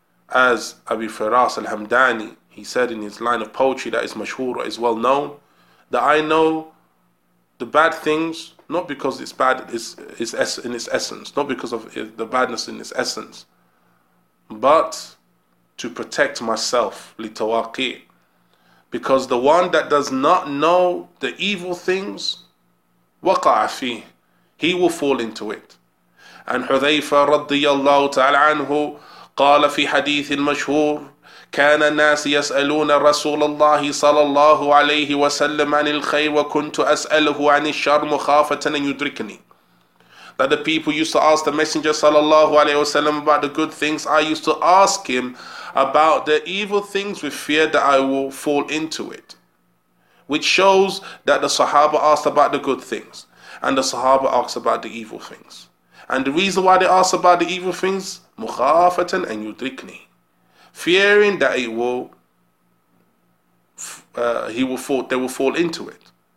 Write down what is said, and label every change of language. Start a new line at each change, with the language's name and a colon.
English: As Abi Firas al-Hamdani, he said in his line of poetry that is mashhur, is well known, that I know the bad things, not because it's bad in its essence, not because of the badness in its essence, but to protect myself, litawaqi. Because the one that does not know the evil things, waqa'a fi, he will fall into it. And Hudhayfa radiyallahu ta'ala anhu qala fi hadith mashhur,
Arabic: كان الناس يسألون رسول الله صلى الله عليه وسلم عن الخير وكنت أسأله عن الشر مخافة أن يدركني.
English: That the people used to ask the messenger صلى الله عليه وسلم about the good things. I used to ask him about the evil things with fear that I will fall into it. Which shows that the Sahaba asked about the good things and the Sahaba asked about the evil things. And the reason why they asked about the evil things,
Arabic: مخافة أن يدركني,
English: fearing that it will, they will fall into it.